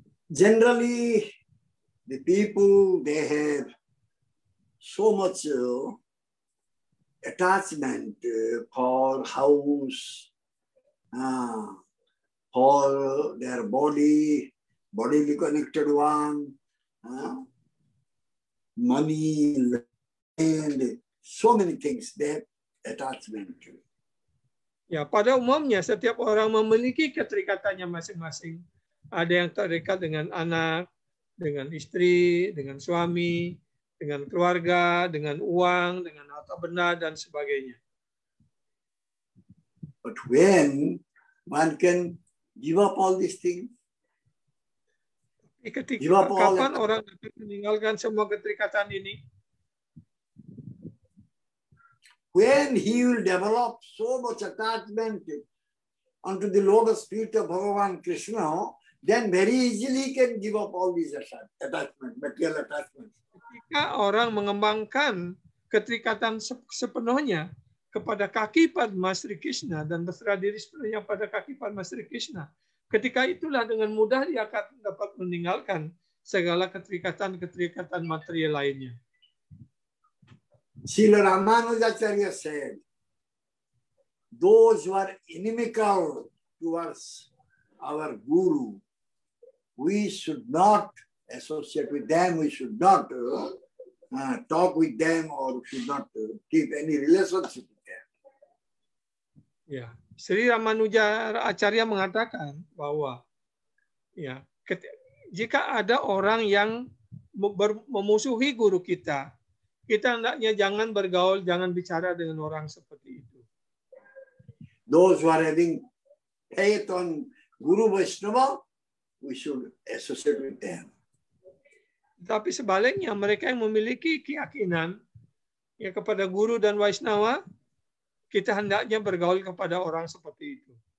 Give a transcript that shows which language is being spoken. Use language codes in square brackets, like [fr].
[en] Generally, the people, they have so much attachment for house, for their body, bodily connected one, money, land, so many things that attachment. [id] Ya, pada umumnya setiap orang memiliki keterikatannya masing-masing. Ada yang terikat dengan anak, dengan istri, dengan suami, dengan keluarga, dengan uang, dengan harta benda dan sebagainya. [en] But when one can give up all these things, [id] ketika kapan orang dapat meninggalkan semua keterikatan ini? [en] when he will develop so much attachment onto the lotus feet of Bhagavan Krishna, then very easily he can give up all these attachments, material attachments. [id] Ketika orang mengembangkan keterikatan sepenuhnya kepada kaki Padma Sri Krishna dan berserah diri sepenuhnya pada kaki Padma Sri Krishna, ketika itulah dengan mudah dia akan dapat meninggalkan segala keterikatan-keterikatan material lainnya. [en] Srila Ramanujacharya said, those who are inimical towards our guru, we should not associate with them, we should not talk with them, or should not keep any relationship with them. Yeah. [id] Sri Ramanujacharya mengatakan bahwa ya, jika ada orang yang memusuhi guru kita, kita hendaknya jangan bergaul, jangan bicara dengan orang seperti itu. [en] Those who are having faith on Guru Vaishnava, we should associate with them. [id] Tapi sebaliknya, mereka yang memiliki keyakinan ya, kepada Guru dan Vaishnava, kita hendaknya bergaul kepada orang seperti itu.